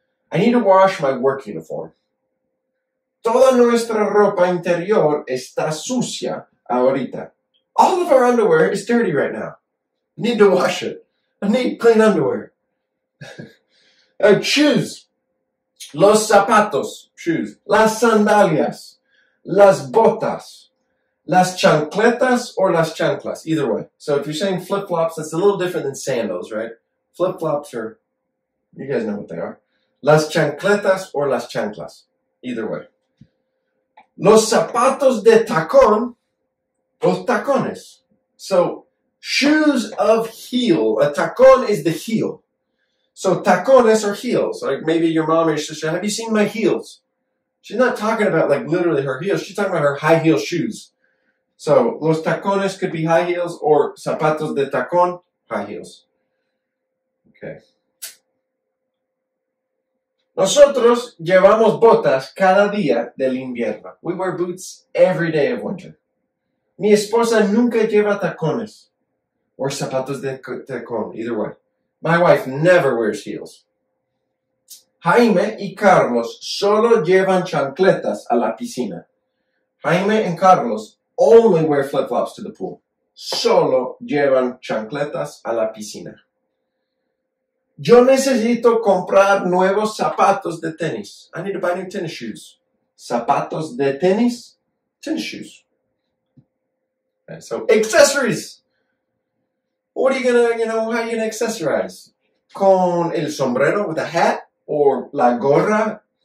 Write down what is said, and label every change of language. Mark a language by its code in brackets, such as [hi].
[en] I need to wash my work uniform. [es] Toda nuestra ropa interior está sucia ahorita. [en] All of our underwear is dirty right now. I need to wash it. I need clean underwear. Shoes. [es] Los zapatos. [en] Shoes. [es] Las sandalias. Las botas. Las chancletas or las chanclas. [en] Either way. So if you're saying flip-flops, that's a little different than sandals, right? Flip-flops are, you guys know what they are. [es] Las chancletas or las chanclas. [en] Either way. [es] Los zapatos de tacón, los tacones. [en] So, shoes of heel. A tacón is the heel. So, tacones are heels. Like, maybe your mom or sister, have you seen my heels? She's not talking about, like, literally her heels. She's talking about her high heel shoes. So, [es] los tacones [en] could be high heels or [es] zapatos de tacón, [en] high heels. Okay. [es] Nosotros llevamos botas cada día del invierno. [en] We wear boots every day of winter. [es] Mi esposa nunca lleva tacones. [en] Or [es] zapatos de tacón, [en] either way. My wife never wears heels. [es] Jaime y Carlos solo llevan chancletas a la piscina. [en] Jaime and Carlos only wear flip-flops to the pool. [es] Solo llevan chancletas a la piscina. Yo necesito comprar nuevos zapatos de tenis. [en] I need to buy new tennis shoes. [es] Zapatos de tenis, [en] tennis shoes. Okay, so accessories. What are you gonna, you know, how are you gonna accessorize? [es] Con el sombrero, [en] with a hat, or [es] la gorra?